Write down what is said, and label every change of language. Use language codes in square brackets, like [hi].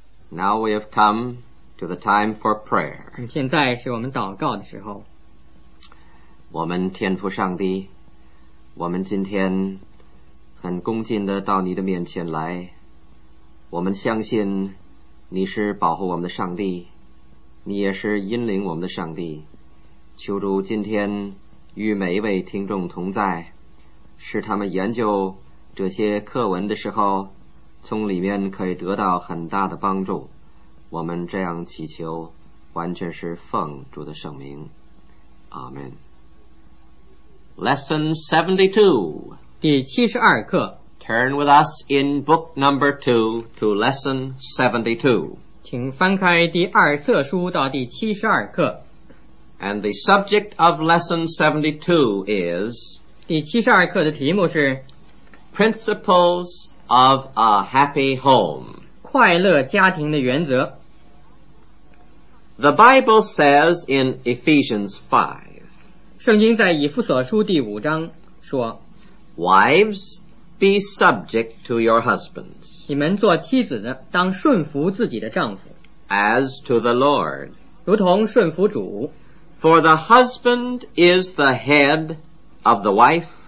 [en] Now we have come to the time for prayer. [zh] 现在是我们祷告的时候。我们天父上帝，我们今天很恭敬地到你的面前来，我们相信你是保护我们的上帝，你也是引领我们的上帝。求主今天与每一位听众同在，使他们研究这些课文的时候，从里面可以得到很大的帮助。我们这样祈求，完全是奉主的圣名，阿们。 [en] Lesson 72， [zh] 第72课。 [en] Turn with us in book number 2 to lesson 72. [zh] 请翻开第二册书到第72课。 [en] And the subject of lesson 72 is [zh] 第72课的题目是 [en] Principles of a Happy Home. [zh] 快乐家庭的原则。 [en] The Bible says in Ephesians 5. [zh] 圣经在以弗所书第五章说 [en] Wives,Be subject to your husbands. [zh] 你们做妻子的，当顺服自己的丈夫。 [en] As to the Lord. [zh] 如同顺服主。 [en] For the husband is the head of the wife.